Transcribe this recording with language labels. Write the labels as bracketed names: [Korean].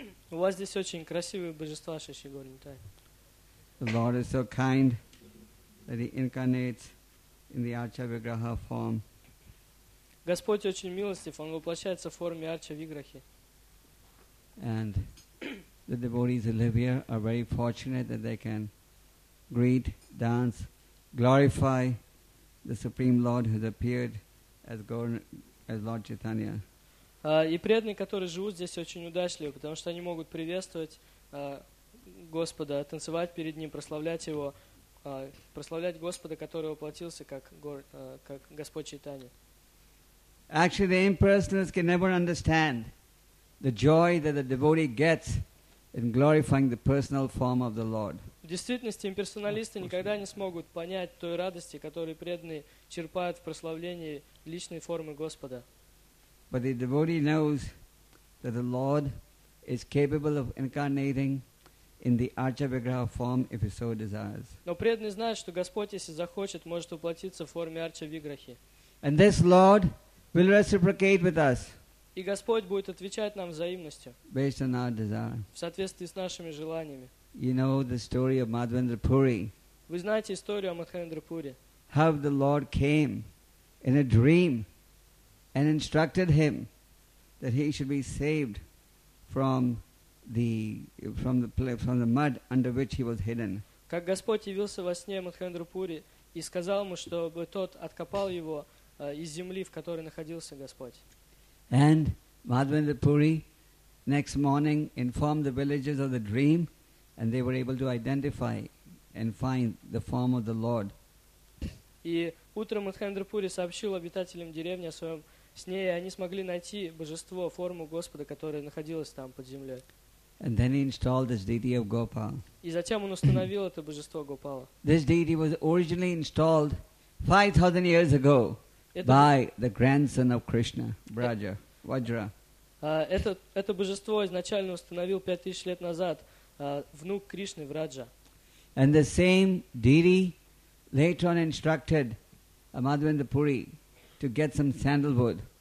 [Russian] У вас здесь очень красивые божества Шри Горнитай. [English] The Lord is so kind that He incarnates in the Archavigraha form. [Russian] Господь очень милостив, Он воплощается в форме Арчавиграхи. [English] And the devotees who live here are very fortunate that they can greet, dance, glorify the Supreme Lord who has appeared as Lord Chaitanya. [Russian] И преданные, которые живут здесь, очень удачливы, потому что они могут приветствовать Господа, танцевать перед Ним, прославлять Его, прославлять Господа, который воплотился как Господь Чайтанья. [English] Actually, the impersonalists can never understand the joy that the devotee gets in glorifying the personal form of the Lord. [Russian] В действительности, имперсоналисты никогда не смогут понять той радости, которую преданные черпают в прославлении личной формы Господа. [English] But the devotee knows that the Lord is capable of incarnating in the Archavigraha form if He so desires. [Russian] Но преданный знает, что Господь, если захочет, может воплотиться в форме Арчавиграхи. [English] And this Lord will reciprocate with us. [Russian] И Господь будет отвечать нам взаимностью. [English] Based on our desire. [Russian] В соответствии с нашими желаниями. [English] You know the story of Madhavendra Puri. [Russian] Вы знаете историю о Мадхавендра Пури. [English] How the Lord came in a dream and instructed him that he should be saved from the mud under which he was hidden. [Russian] Как Господь явился во сне Мадхавендра Пури и сказал ему, чтобы тот откопал его из земли, в которой находился Господь. [English] And Madhavendra Puri next morning informed the villagers of the dream, and they were able to identify and find the form of the Lord. [Russian] И утром Мадхавендра Пури сообщил обитателям деревни о своем сне, и они смогли найти божество, форму Господа, которая находилась там под землей. [English] And then he installed this deity of Gopal. [Russian] И затем он установил это божество Гопала. [English] This deity was originally installed 5,000 years ago by the grandson of Krishna, Braja, Vajra. [Russian] Это божество изначально установил 5,000 лет назад внук Кришны, Враджа. [English] And the same deity later on instructed Madhavendra Puri to get some sandalwood.